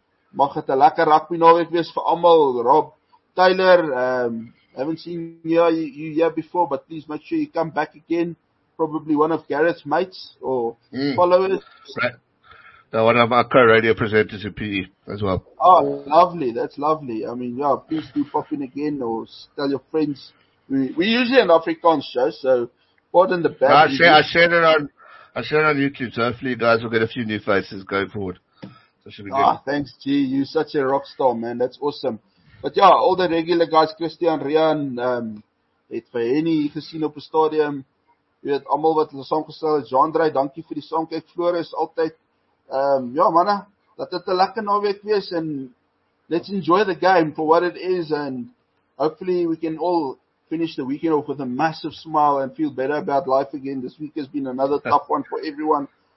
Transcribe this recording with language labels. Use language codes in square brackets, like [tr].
[af] Mag het 'n lekker rugby naweek wees vir almal. [en] Rob, Tyler, haven't seen you here before, but please make sure you come back again. Probably one of Gareth's mates or followers. Right. No, one of our co-radio presenters in PE as well. Oh, lovely. That's lovely. I mean, yeah, please do pop in again or tell your friends. We're usually an Afrikaans show, so pardon the bad. I share it on YouTube, so hopefully you guys will get a few new faces going forward. Thanks, G. You're such a rock star, man. That's awesome. But yeah, all the regular guys, Christian, Rian, [af] het vir any gesien op 'n stadium. Jy weet, almal wat ons saamgestel het, Jean-Dre, dankie vir die saamkyk, Floris, altyd. Manne, dat dit 'n lekker naweek wees, [en] and let's enjoy the game for what it is, and hopefully we can all finish the weekend off with a massive smile and feel better about life again. This week has been another tough one for everyone.